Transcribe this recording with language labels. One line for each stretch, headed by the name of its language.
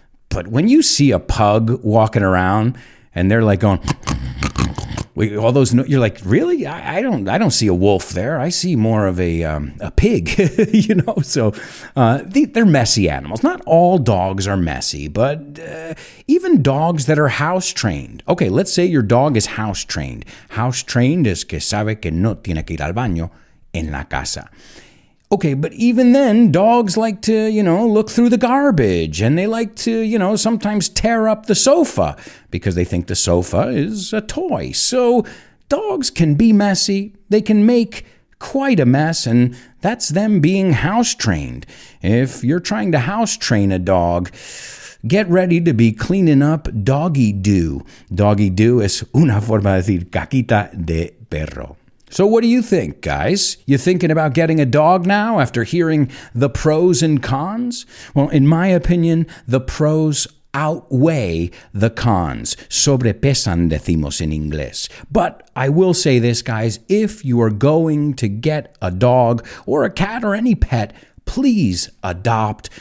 English: But when you see a pug walking around and they're like going, all those, you're like, really? I don't see a wolf there. I see more of a pig, you know. So they're messy animals. Not all dogs are messy, but even dogs that are house trained. Okay, let's say your dog is house trained. House trained is
Spanish: que sabe que no tiene que ir al baño en la casa.
English: Okay, but even then, dogs like to, you know, look through the garbage, and they like to, you know, sometimes tear up the sofa because they think the sofa is a toy. So dogs can be messy. They can make quite a mess, and that's them being house-trained. If you're trying to house-train a dog, get ready to be cleaning up doggy doo. Doggy doo is
Spanish: una forma de decir caquita de perro.
English: So what do you think, guys? You thinking about getting a dog now after hearing the pros and cons? Well, in my opinion, the pros outweigh the cons.
Spanish: Sobrepesan, decimos en inglés.
English: But I will say this, guys, if you are going to get a dog or a cat or any pet, please adopt.